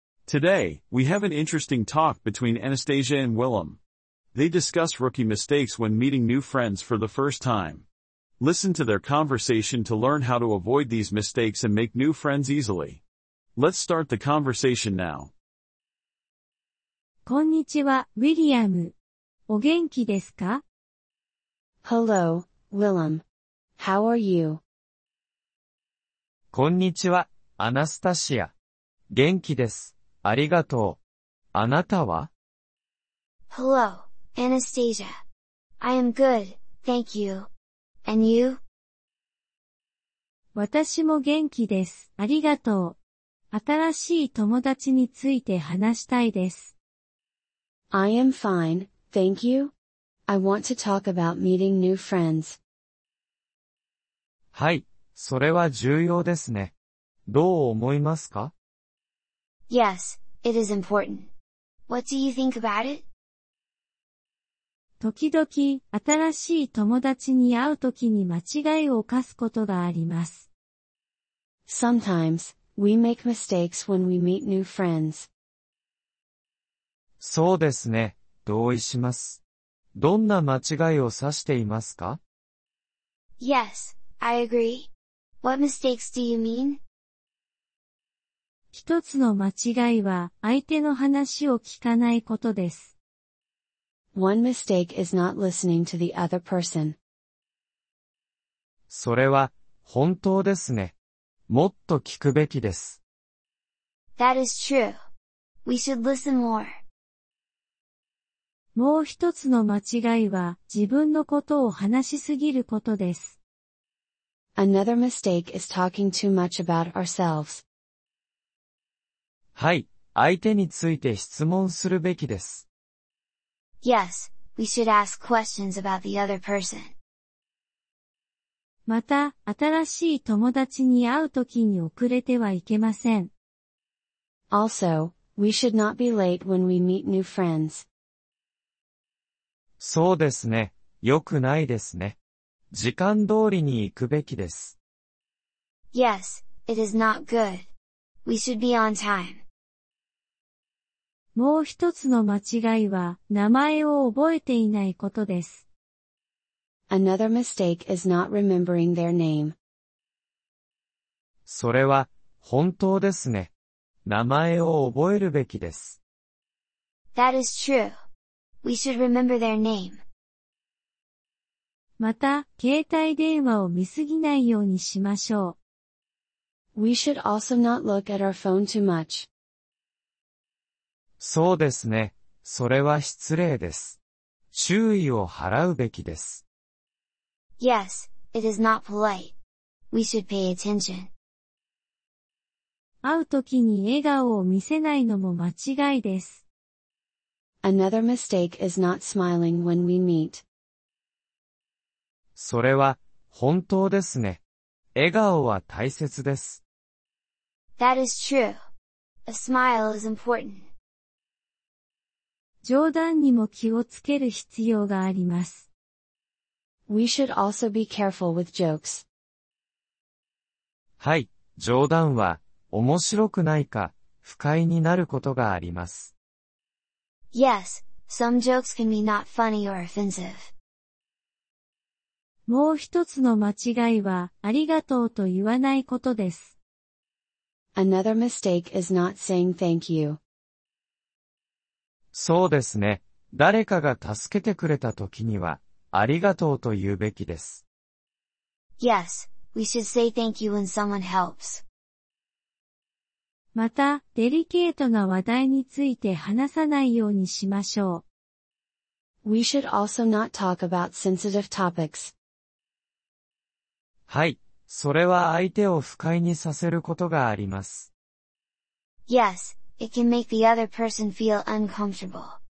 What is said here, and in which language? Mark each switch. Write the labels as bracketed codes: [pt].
[en] Today, we have an interesting talk between Anastasia and Willem. They discuss rookie mistakes when meeting new friends for the first time. Listen to their conversation to learn how to avoid these mistakes and make new friends easily. Let's start the conversation now. [ja] こんにちは、ウィリアム。お元気ですか? [en] Hello, Willem. How are you? [ja] こんにちは、アナスタシア。元気です。ありがとう。あなたは? [en] Hello, Anastasia. I am good, thank you. And you? [ja] 私も元気です。ありがとう。新しい友達について話したいです。 [en] I am fine, thank you. I want to talk about meeting new friends. [ja] はい。それは重要ですね。どう思いますか? [en] Yes, it is important. What do you think about it? [ja] 時々、新しい友達に会うときに間違いを犯すことがあります。 [en] Sometimes, we make mistakes when we meet new friends. [ja] そうですね。同意します。どんな間違いを指していますか? [en] Yes, I agree. What mistakes do you mean? [ja] 一つの間違いは相手の話を聞かないことです。 [en] One mistake is not listening to the other person. [ja] それは本当ですね。もっと聞くべきです。 [en] That is true. We should listen more. [ja] もう一つの間違いは自分のことを話しすぎることです。 [en] Another mistake is talking too much about ourselves. [ja] はい、相手について質問するべきです。 [en] Yes, we should ask questions about the other person. [ja] また、新しい友達に会うときに遅れてはいけません。 [en] Also, we should not be late when we meet new friends. [ja] そうですね、よくないですね。時間通りに行くべきです。 [en] Yes, it is not good. We should be on time. [ja] もう一つの間違いは、名前を覚えていないことです。 [en] Another mistake is not remembering their name. [ja] それは、本当ですね。名前を覚えるべきです。 [en] That is true. We should remember their name. [ja] また、携帯電話を見すぎないようにしましょう。 [en] We should also not look at our phone too much. [ja] そうですね。それは失礼です。注意を払うべきです。 [en] Yes, it is not polite. We should pay attention. [ja] 会うときに笑顔を見せないのも間違いです。 [en] Another mistake is not smiling when we meet. [ja] それは、本当ですね。笑顔は大切です。 [en] That is true. A smile is important. [ja] 冗談にも気をつける必要があります。 [en] We should also be careful with jokes. [ja] はい、冗談は、面白くないか、不快になることがあります。 [en] Yes, some jokes can be not funny or offensive. [ja] もう一つの間違いは、ありがとうと言わないことです。 [en] Another mistake is not saying thank you. [ja] そうですね。誰かが助けてくれた時には、ありがとうと言うべきです。 [en] Yes, we should say thank you when someone helps. [ja] また、デリケートな話題について話さないようにしましょう。 [en] We should also not talk about sensitive topics. [ja] はい、それは相手を不快にさせることがあります。 [en] Yes, it can make the other person feel uncomfortable.